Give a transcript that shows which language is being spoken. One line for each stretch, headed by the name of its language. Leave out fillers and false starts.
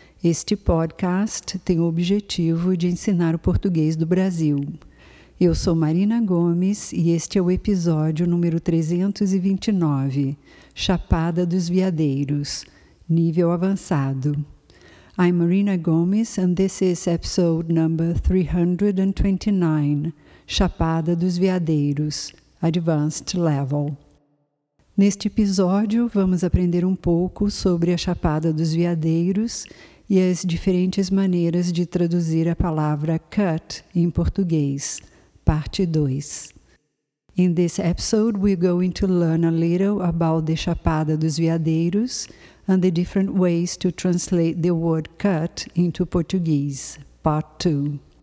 Portuguese: Este podcast tem o objetivo de ensinar o português do Brasil. Eu sou Marina Gomes e este é o episódio número 329, Chapada dos Veadeiros, nível avançado.
English: I'm Marina Gomes and this is episode number 329, Chapada dos Veadeiros, Advanced Level.
Portuguese: Neste episódio, vamos aprender um pouco sobre a Chapada dos Veadeiros e as diferentes maneiras de traduzir a palavra cut em português, parte 2.
English: In this episode, we're going to learn a little about the Chapada dos Veadeiros and the different ways to translate the word cut into Portuguese, part 2.